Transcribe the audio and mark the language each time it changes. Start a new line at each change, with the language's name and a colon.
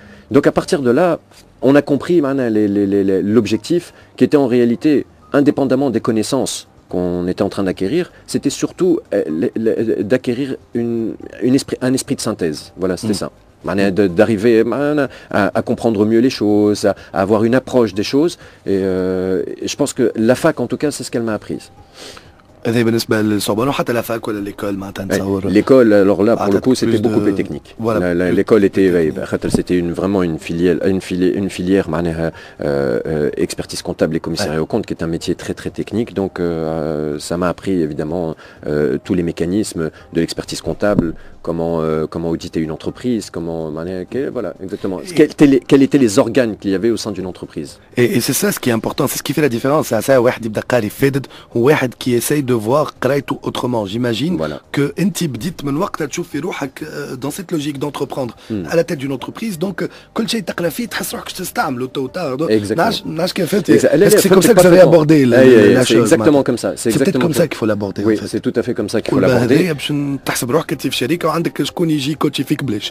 French: Donc à partir de là, on a compris l'objectif qui était en réalité, indépendamment des connaissances qu'on était en train d'acquérir, c'était surtout d'acquérir un esprit de synthèse. Voilà, c'était ça. D'arriver à comprendre mieux les choses, à avoir une approche des choses. Et je pense que la fac, en tout cas, c'est ce qu'elle m'a appris.
Arabic: هذا بالنسبة للصعوبة وحتى لافاك ولا ليكول معناتها نتصور
French: ليكول alors là pour le coup c'était beaucoup plus technique l'école était c'était une vraiment une filière معناها expertise comptable et commissariat aux comptes qui est un métier très très technique donc ça m'a appris évidemment tous les mécanismes de l'expertise comptable comment auditer une entreprise comment معناها voilà exactement quels étaient les organes qu'il y avait au sein d'une entreprise et c'est ça ce qui est important c'est ce qui fait la différence ça un
Arabic: واحد يبدا قاري فيدد واحد
French: qui essaye de voir
Arabic: قرايته
French: autrement j'imagine voilà. que
Arabic: انتي بديت من وقت تشوف في روحك
French: dans cette logique d'entreprendre à la tête d'une entreprise donc
Arabic: كل شيء تقرا فيه تحس روحك تستعمل تو تو ناش كيف فهمت
French: c'est comme ça que j'avais abordé la chose exactement comme ça c'est comme ça qu'il faut l'aborder oui c'est tout à fait comme ça qu'il faut l'aborder
Arabic: باش تحسب روحك انت في شركه وعندك شكون يجي كوتشي فيك بلاش